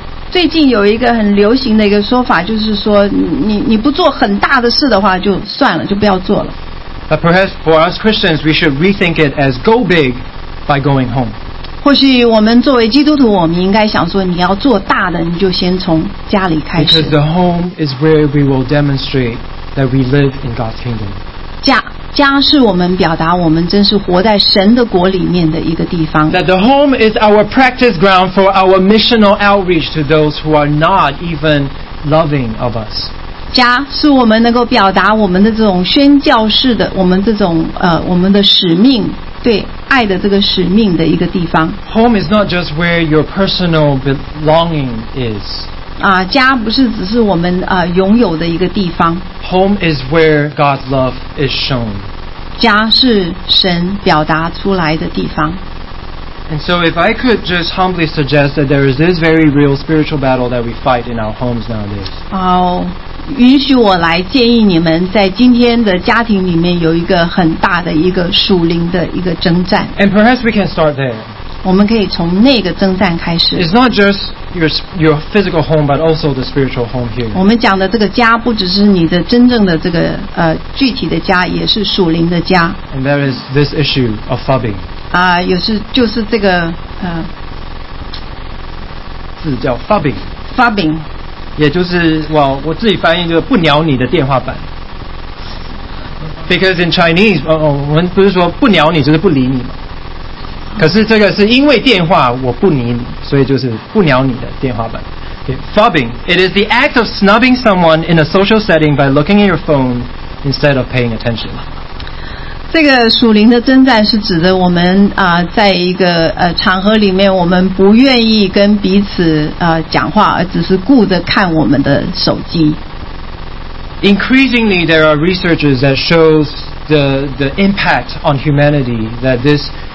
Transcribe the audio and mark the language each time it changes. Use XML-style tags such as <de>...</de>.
<zh>最近有一个很流行的一个说法，就是说你不做很大的事的话就算了，就不要做了。</zh> <en>But perhaps for us Christians, we should rethink it as go big by going home.</en> <zh>或许我们作为基督徒，我们应该想说，你要做大的，你就先从家里开始。</zh> <en>Because the home is where we will demonstrate that we live in God's kingdom.</en> <zh>家是我们表达我们真是活在神的国里面的一个地方。</zh> <en>That the home is our practice ground for our missional outreach to those who are not even loving of us.</en> <zh>家是我们能够表达我们的这种宣教士的，我们这种我们的使命，对爱的这个使命的一个地方。</zh> <en>Home is not just where your personal belonging is.</en> <zh>家不是只是我们拥有的一个地方。</zh> <en>Home is where God's love is shown.</en> <zh>家是神表达出来的地方。</zh> <en>And so if I could just humbly suggest that there is this very real spiritual battle that we fight in our homes nowadays.</en> <zh>允许我来建议你们，在今天的家庭里面有一个很大的一个属灵的一个征战。</zh> <en>And perhaps we can start there.</en> <zh>我们可以从那个征战开始。</zh> <en>It's not justyour physical home, but also the spiritual home here.</en> <zh>我们讲的这个家不只是你的真正的这个具体的家，也是属灵的家。</zh> <en>And that is this issue of fubbing.</en> <zh>就是这个字叫 fubbing.</zh> <en>Fubbing.</en> <zh>也就是我自己翻译就是不鸟你的电话板。</zh> <en>Because in Chinese,</en> <zh>我们不是说不鸟你就是不理你吗？可是这个是因为电话我不理你，所以就是不鸟你的电话板。</zh> <en>Okay, fubbing, it is the act of snubbing someone in a social setting by looking at your phone instead of paying attention.</en> <zh>这个属灵的征战是指的我们在一个场合里面，我们不愿意跟彼此讲话，而只是顾着看我们的手机。</zh> <en>Increasingly, there are researches that shows the impact on humanity that this.</en>